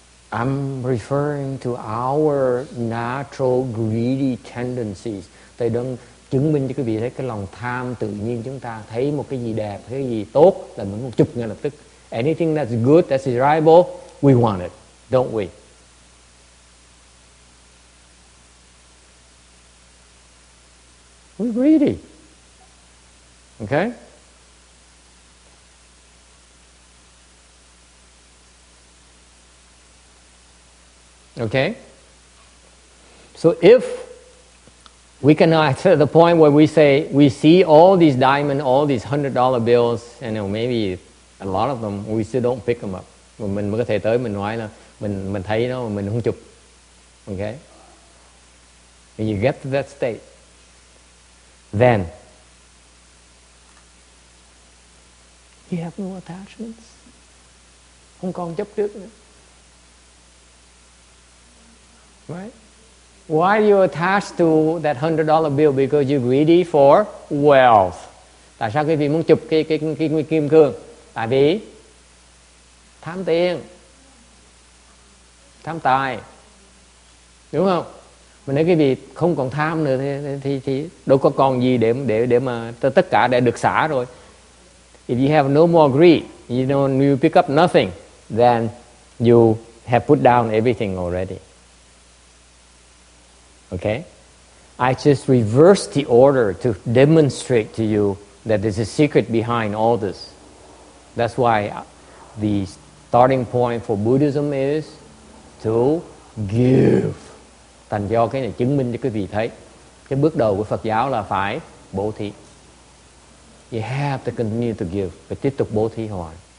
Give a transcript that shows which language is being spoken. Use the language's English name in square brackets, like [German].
[English] I'm referring to our natural greedy tendencies. [Vietnamese] Thầy đang chứng minh cho quý vị thấy cái lòng tham tự nhiên chúng ta. Thấy một cái gì đẹp, thấy cái gì tốt là mình muốn chụp ngay lập tức. [English] Anything that's good, that's desirable, we want it, don't we? We're greedy. Okay? Okay? So if we can get to the point where we say, we see all these diamonds, all these $100 bills, and you know, maybe a lot of them, we still don't pick them up. [Vietnamese] Mình có thể tới mình nói là mình thấy nó, mình không chụp. [English] Okay? When you get to that state, then you have no attachments. [Vietnamese] Không còn chấp trước nữa. [English] Right? Why are you attached to that $100 bill? Because you're greedy for wealth. [Vietnamese] Tại sao quý vị muốn chụp cái kim cương? Tại vì tham tiền, tham tài. Đúng không? Mà nếu quý vị không còn tham nữa thì đâu có còn gì để mà tất cả đã được xả rồi. [English] If you have no more greed, you pick up nothing, then you have put down everything already. Okay? I just reversed the order to demonstrate to you that there's a secret behind all this. That's why the starting point for Buddhism is to give. [Vietnamese] Thành do cái này chứng minh cho quý vị thấy. Cái bước đầu của Phật giáo là phải bố thí. [English] You have to continue to give. [Vietnamese] Phải tiếp tục bố thí hoài.